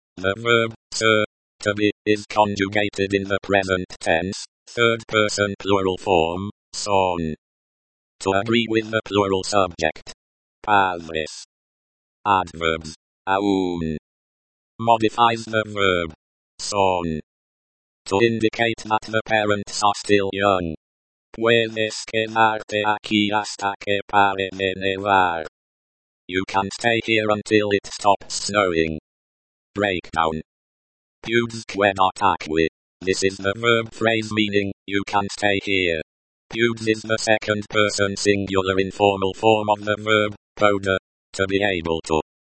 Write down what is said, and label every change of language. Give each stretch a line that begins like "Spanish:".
English: The verb, ser, to be, is conjugated in the present tense, third person plural form, son. To agree with the plural subject. Padres. Adverbs. Aún. Modifies the verb. Son. To indicate that the parents are still young.
Spanish: Puedes quedarte aquí hasta que pare de nevar.
English: You can stay here until it stops snowing. Breakdown.
Spanish: Puedes quedarte aquí.
English: This is the verb phrase meaning, you can stay here. Puedes is the second person singular informal form of the verb, poder, to be able to.